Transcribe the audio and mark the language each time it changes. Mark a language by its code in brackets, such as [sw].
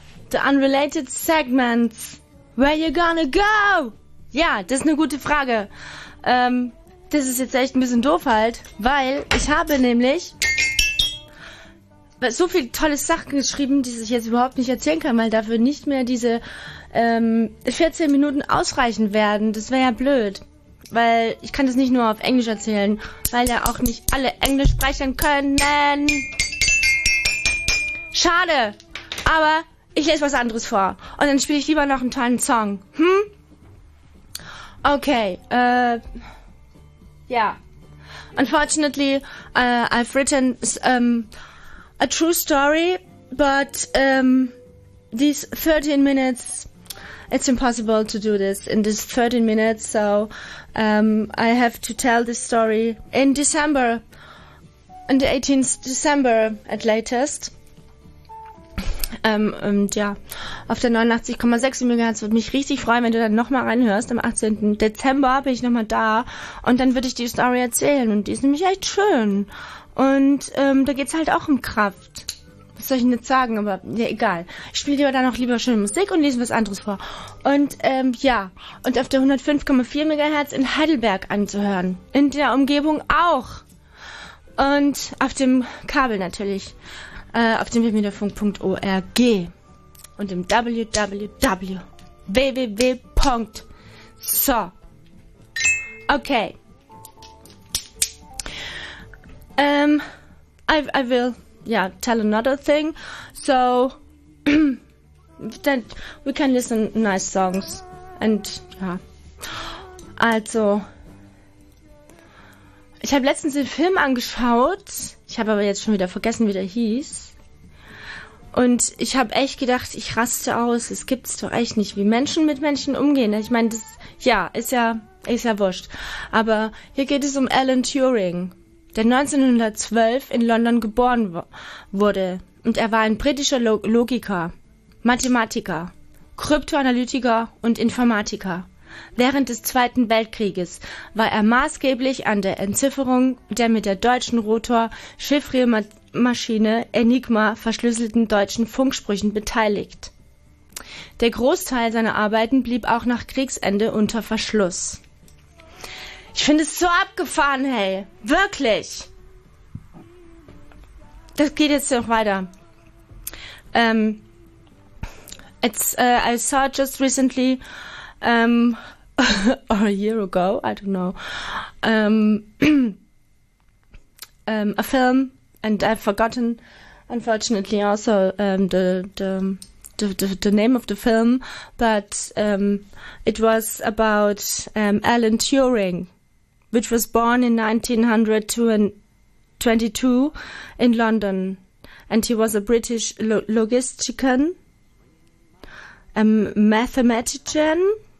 [en] The unrelated segments. Where you gonna go? [de] Ja, das ist eine gute Frage. Das ist jetzt echt ein bisschen doof halt, weil ich habe nämlich so viel tolle Sachen geschrieben, die ich jetzt überhaupt nicht erzählen kann, weil dafür nicht mehr diese 14 Minuten ausreichen werden. Das wäre ja blöd. Weil ich kann das nicht nur auf Englisch erzählen, weil ja auch nicht alle Englisch sprechen können. Schade. Aber ich lese was anderes vor. Und dann spiele ich lieber noch einen tollen Song. Hm? Okay. [en] Unfortunately, I've written a true story, but these 13 minutes, it's impossible to do this in these 13 minutes, so I have to tell this story in December, on the 18th December at latest. [de] Auf der 89,6 MHz würde mich richtig freuen, wenn du dann nochmal reinhörst. Am 18. Dezember bin ich nochmal da und dann würde ich die Story erzählen und die ist nämlich echt schön. Und da geht's halt auch um Kraft. Was soll ich denn jetzt sagen, aber ja, egal. Ich spiele dir aber dann auch lieber schöne Musik und lese was anderes vor. Und und auf der 105,4 MHz in Heidelberg anzuhören. In der Umgebung auch. Und auf dem Kabel natürlich. Auf dem www.funk.org und im www.so. Okay. [en] I will, tell another thing. So, that we can listen nice songs. And, [de] also, ich habe letztens den Film angeschaut. Ich habe aber jetzt schon wieder vergessen, wie der hieß. Und ich habe echt gedacht, ich raste aus. Es gibt's doch echt nicht, wie Menschen mit Menschen umgehen. Ich meine, das ist ja wurscht. Aber hier geht es um Alan Turing, der 1912 in London geboren wurde. Und er war ein britischer Logiker, Mathematiker, Kryptoanalytiker und Informatiker. Während des Zweiten Weltkrieges war er maßgeblich an der Entzifferung der mit der deutschen Rotor-Chiffriermaschine Enigma verschlüsselten deutschen Funksprüchen beteiligt. Der Großteil seiner Arbeiten blieb auch nach Kriegsende unter Verschluss. Ich finde es so abgefahren, hey! Wirklich! Das geht jetzt noch weiter. [en] I saw just recently or a year ago, I don't know, a film, and I've forgotten, unfortunately, also the name of the film, but it was about Alan Turing, which was born in 1922 in London, and he was a British logistician, a mathematician.